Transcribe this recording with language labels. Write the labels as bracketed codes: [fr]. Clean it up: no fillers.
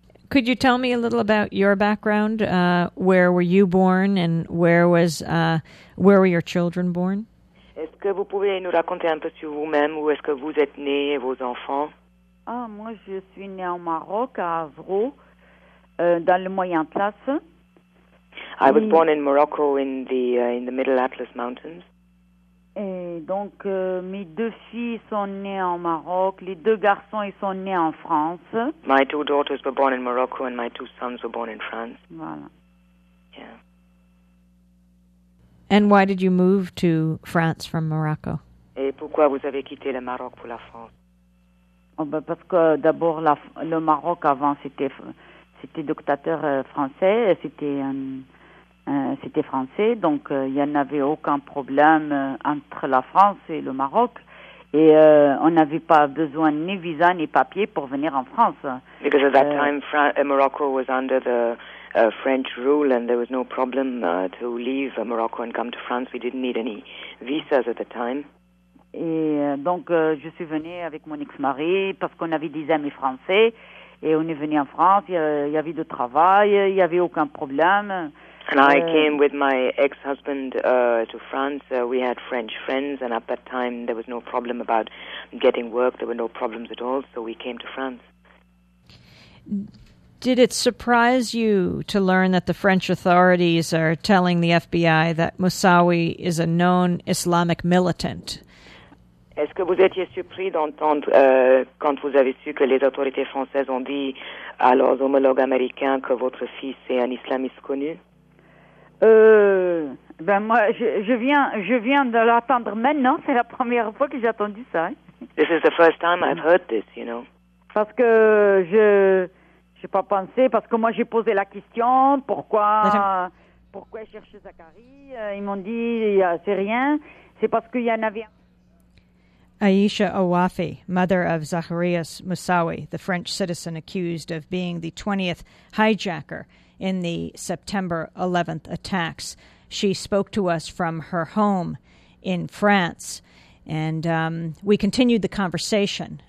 [en] Could you tell me a little about your background? Where were you born, and where were your children born? [fr] Est-ce que vous pouvez nous raconter un peu sur vous-même, où est-ce que vous êtes né et vos enfants? Ah, moi, je suis née au Maroc, à Avro, dans le Moyen Atlas. [en] I was born in Morocco in the Middle Atlas Mountains. [fr] Et donc, mes deux filles sont nées en Maroc, les deux garçons, ils sont nés en France. [en] My two daughters were born in Morocco and my two sons were born in France. [fr] Voilà. [en] Yeah. And why did you move to France from Morocco? [fr] Et pourquoi vous avez quitté le Maroc pour la France? Oh ben parce que d'abord, le Maroc avant, c'était dictateur français, c'était français, donc il n'y en avait aucun problème entre la France et le Maroc. Et on n'avait pas besoin ni visa ni papier pour venir en France. [en] Because at that time, Morocco was under the French rule and there was no problem to leave Morocco and come to France. We didn't need any visas at the time. [fr] Et donc, je suis venue avec mon ex-mari parce qu'on avait des amis français. Et on est venu en France, il y avait du travail, il n'y avait aucun problème. [en] And I came with my ex-husband to France. We had French friends, and at that time, there was no problem about getting work. There were no problems at all, so we came to France. Did it surprise you to learn that the French authorities are telling the FBI that Moussaoui is a known Islamic militant? [fr] Est-ce que vous étiez surpris d'entendre, quand vous avez su que les autorités françaises ont dit à leurs homologues américains que votre fils est un islamiste connu? Ben moi, je viens de l'entendre maintenant. C'est la première fois que j'ai entendu ça. Hein? [en] This is the first time I've heard this, you know. [fr] Parce que je n'ai pas pensé, parce que moi j'ai posé la question, pourquoi chercher Zachary? Ils m'ont dit, c'est rien, c'est parce qu'il y en avait... [en] Aisha Awafi, mother of Zacharias Moussaoui, the French citizen accused of being the 20th hijacker in the September 11th attacks. She spoke to us from her home in France, and we continued the conversation.